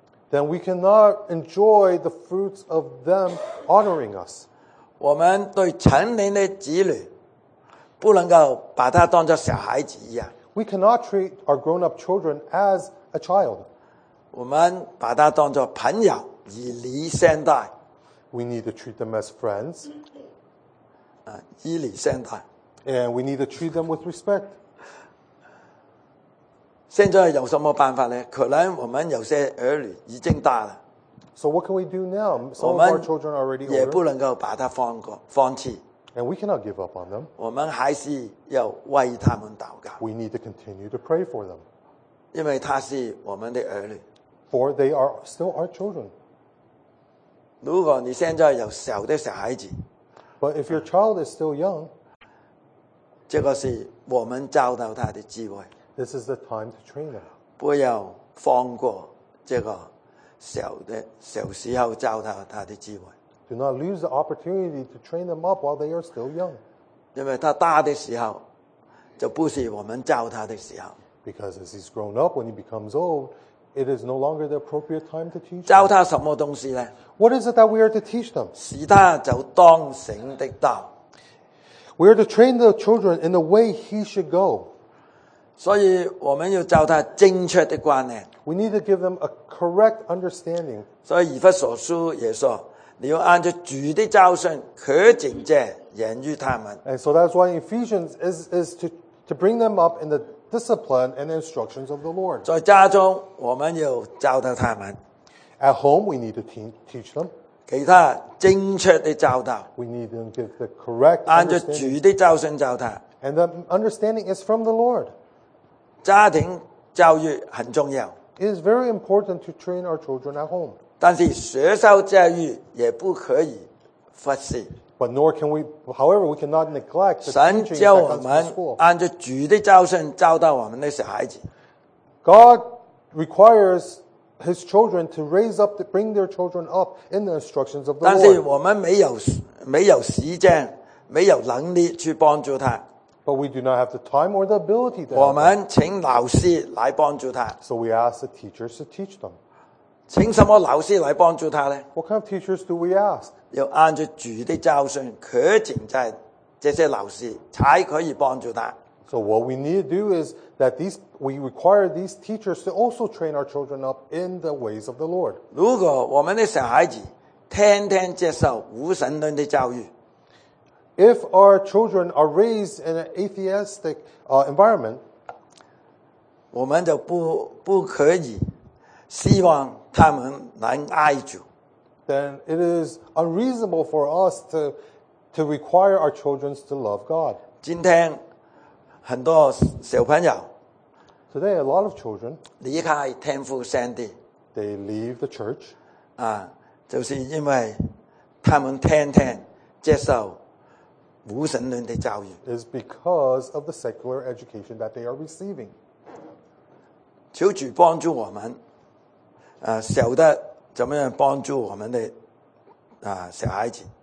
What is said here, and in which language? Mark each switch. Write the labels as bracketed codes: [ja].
[en] then we cannot enjoy the fruits of them honoring us. [zh] 我们对成年的子女, 不能够把他当作小孩子一样, [en] we cannot treat our grown-up children as a child. [zh] 我们把他当作朋友, 以礼相待, [en] we need to treat them as friends. [zh] 以礼相待, [en] and we need to treat them with respect. [zh] 现在有什么办法呢？可能我们有些儿女已经大了。 [en] So what can we do now? Some of our children are already older. [zh] 我们也不能够把它放弃。 [en] And we cannot give up on them. [zh] 我们还是要为他们祷告。 [en] We need to continue to pray for them. [zh] 因为他是我们的儿女。 [en] For they are still our children. [zh] 如果你现在有小的小孩子。 [en] But if your child is still young, [zh] 这个是我们教导他的机会。 [en] This is the time to train them. [zh] 不要放过这个小时候教导他的机会。 [en] Do not lose the opportunity to train them up while they are still young. [zh] 因为他大的时候就不是我们教他的时候。 [en] Because as he's grown up, when he becomes old, it is no longer the appropriate time to teach. [zh] 教他什么东西呢？ [en] What is it that we are to teach them? [zh] 使他走当行的道。 [en] We are to train the children in the way he should go. [zh] 所以我们要教他正确的观念。 [en] We need to give them a correct understanding. [zh] 所以以弗所书也说，你要按照主的教训，可警戒言语他们。 [en] And so that's why Ephesians is to bring them up in the discipline and instructions of the Lord. [zh] 在家中，我们要教导他们。 [en] At home, we need to teach them. [zh] 给他正确的教导。 [en] We need to give the correct [zh] 按照主的教训教他。 [en] And the understanding is from the Lord. [zh] 家庭教育很重要。 [en] It is very important to train our children at home. [zh] 但是学校教育也不可以忽视。 [en] But nor can we, however, we cannot neglect the teaching that comes from school. [zh] 神教我们按照主的教训教导我们的小孩子。 [en] God requires His children to raise up, to bring their children up in the instructions of the Lord. [zh] 但是我们没有时间，没有能力去帮助他。 [en] But we do not have the time or the ability to. [zh] 我们请老师来帮助他。 [en] So we ask the teachers to teach them. [zh] 请什么老师来帮助他呢？ [en] What kind of teachers do we ask? [zh] 要按照主的教训，可请在这些老师才可以帮助他。 [en] So what we need to do is that we require these teachers to also train our children up in the ways of the Lord. [zh] 如果我们的小孩子天天接受无神论的教育， [en] If our children are raised in an atheistic environment, [zh] 我们就不可以希望他们能爱主。 [en] Then it is unreasonable for us to require our children to love God. [zh] 今天很多小朋友 [en] ，Today a lot of children [zh] 离开天父上帝 [en] ，They leave the church. [zh] 啊，就是因为他们天天接受无神论的教育。 [en] Is because of the secular education that they are receiving. [zh] 求主帮助我们。小的怎么样帮助我们的小孩子。